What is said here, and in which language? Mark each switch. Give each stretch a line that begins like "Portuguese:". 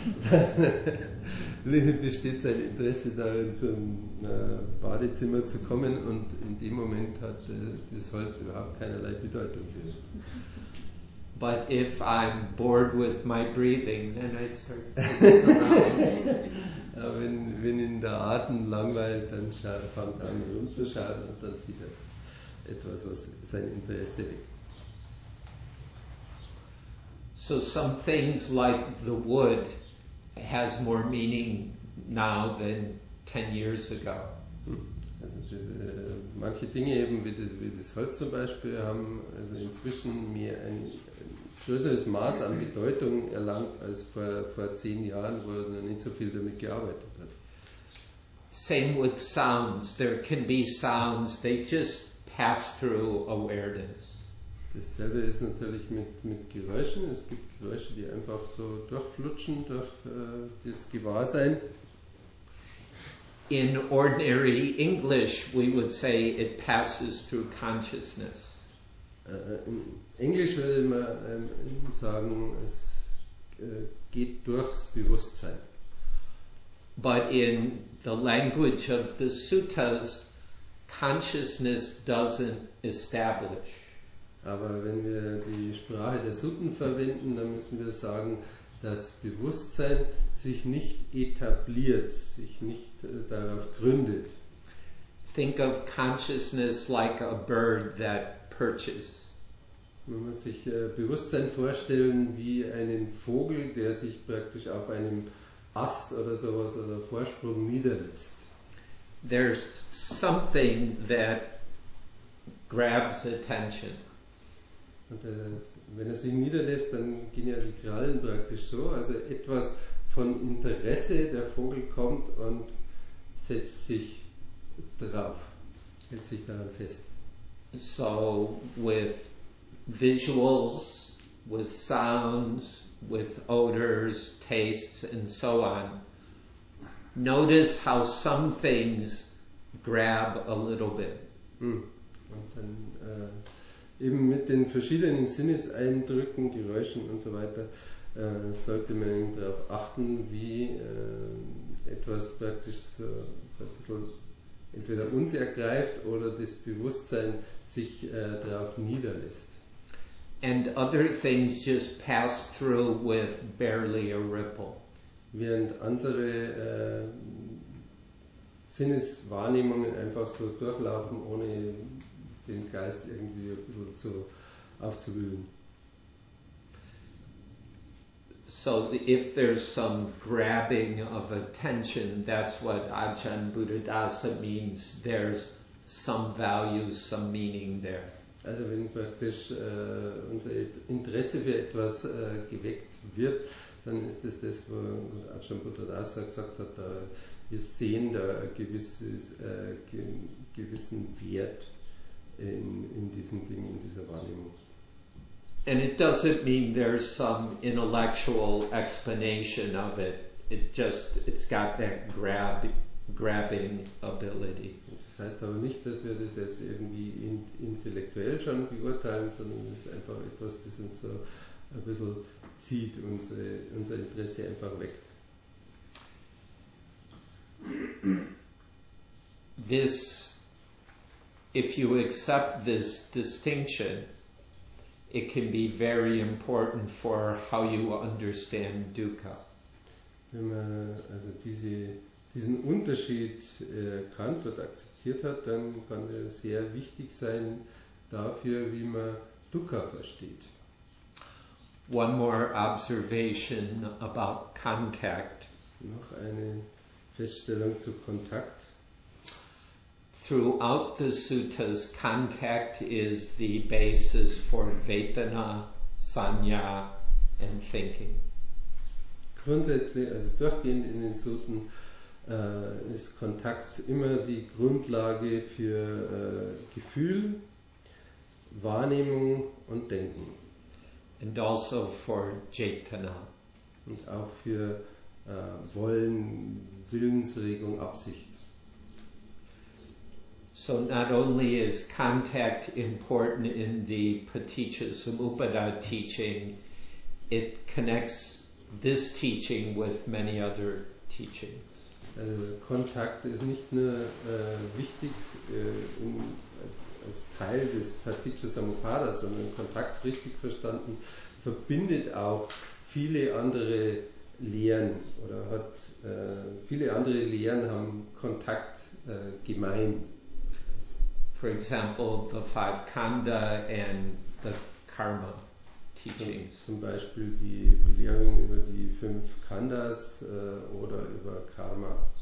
German: Dann besteht sein Interesse darin, zum Badezimmer zu kommen, und in dem Moment hat das Holz überhaupt keinerlei Bedeutung für ihn.
English: But if I'm bored with my breathing, then I start to
German: Aber wenn ihn der Atem langweilt, dann fängt er an rumzuschauen und dann sieht er etwas, was sein Interesse weckt.
English: So some things like the wood has more meaning now than 10 years ago.
German: Also manche Dinge eben, wie das Holz zum Beispiel, haben also inzwischen mir ein größeres Maß an Bedeutung erlangt als vor 10 Jahren, wo er noch nicht so viel damit gearbeitet hat.
English: Same with sounds. There can be sounds, they just pass through awareness.
German: Dasselbe ist natürlich mit Geräuschen. Es gibt Geräusche, die einfach so durchflutschen durch das Gewahrsein.
English: In ordinary English, we would say it passes through consciousness.
German: In Englisch würde man sagen, es geht durchs Bewusstsein.
English: But in the language of the suttas, consciousness doesn't establish.
German: Aber wenn wir die Sprache der Sutten verwenden, dann müssen wir sagen, dass Bewusstsein sich nicht etabliert, sich nicht darauf gründet.
English: Think of consciousness like a bird that perches.
German: Man muss sich Bewusstsein vorstellen wie einen Vogel, der sich praktisch auf einem Ast oder sowas oder Vorsprung niederlässt.
English: There's something that grabs attention.
German: Und wenn er sich niederlässt, dann gehen ja die Krallen praktisch so. Also etwas von Interesse, der Vogel kommt und setzt sich drauf, hält sich daran fest.
English: So with visuals, with sounds, with odors, tastes, and so on. Notice how some things grab a little bit.
German: Und dann eben mit den verschiedenen Sinneseindrücken, Geräuschen und so weiter, sollte man darauf achten, wie etwas praktisch so ein bisschen entweder uns ergreift oder das Bewusstsein sich darauf niederlässt.
English: And other things just pass through with barely a ripple.
German: Während andere Sinneswahrnehmungen einfach so durchlaufen, ohne den Geist irgendwie ein bisschen zu aufzuwühlen.
English: So if there's some grabbing of attention, that's what Ajahn Buddhadasa means. There's some value, some meaning there.
German: Also wenn praktisch unser Interesse für etwas geweckt wird, dann ist es das, wo Ajahn Buddhadasa gesagt hat, wir sehen da gewissen Wert in diesen Dingen, in dieser Wahrnehmung.
English: And it doesn't mean there's some intellectual explanation of it. It's got that grabbing ability.
German: Das heißt aber nicht, dass wir das jetzt irgendwie intellektuell schon beurteilen, sondern es ist einfach etwas, das uns so ein bisschen zieht, unser Interesse einfach weckt.
English: This, if you accept this distinction, it can be very important for how you understand dukkha.
German: Wenn man also diesen Unterschied erkannt und akzeptiert hat, dann kann er sehr wichtig sein dafür, wie man dukkha versteht.
English: One more observation about contact.
German: Noch eine Feststellung zu Kontakt.
English: Throughout the suttas, contact is the basis for vedana, sanya, and thinking.
German: Grundsätzlich, also durchgehend in den Sutten, ist Kontakt immer die Grundlage für Gefühl, Wahrnehmung und Denken.
English: And also for jetana.
German: Und auch für Wollen, Willensregung, Absicht.
English: So not only is contact important in the Paticca-Samuppada teaching, it connects this teaching with many other teachings.
German: Also Kontakt ist nicht nur wichtig als Teil des Paticca-Samuppada, sondern Kontakt, richtig verstanden, verbindet auch viele andere Lehren oder hat viele andere Lehren haben Kontakt gemein.
English: For example, the five khanda and the karma teachings.
German: Zum Beispiel die Belehrung über die fünf khandas oder über Karma.